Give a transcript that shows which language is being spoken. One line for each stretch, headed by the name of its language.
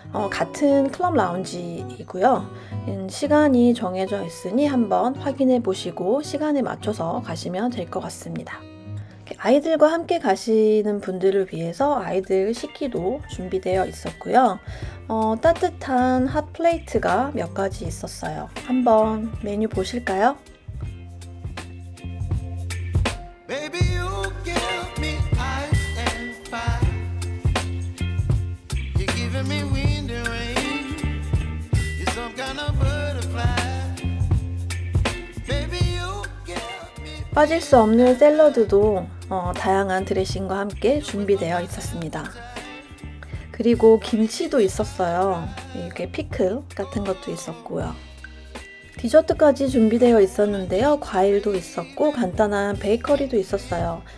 Korean: 같은 클럽 라운지이고요. 시간이 정해져 있으니 한번 확인해 보시고 시간에 맞춰서 가시면 될것 같습니다. 아이들과 함께 가시는 분들을 위해서 아이들 식기도 준비되어 있었고요. 따뜻한 핫플레이트가 몇 가지 있었어요. 한번 메뉴 보실까요?
English: Baby, you give me ice and fire. You're giving me wind and rain. You're some kind of butterfly. Baby, you give me.
Korean: 빠질 수 없는 샐러드도 다양한 드레싱과 함께 준비되어 있었습니다. 그리고 김치도 있었어요. 이렇게 피클 같은 것도 있었고요. 디저트까지 준비되어 있었는데요. 과일도 있었고 간단한 베이커리도 있었어요.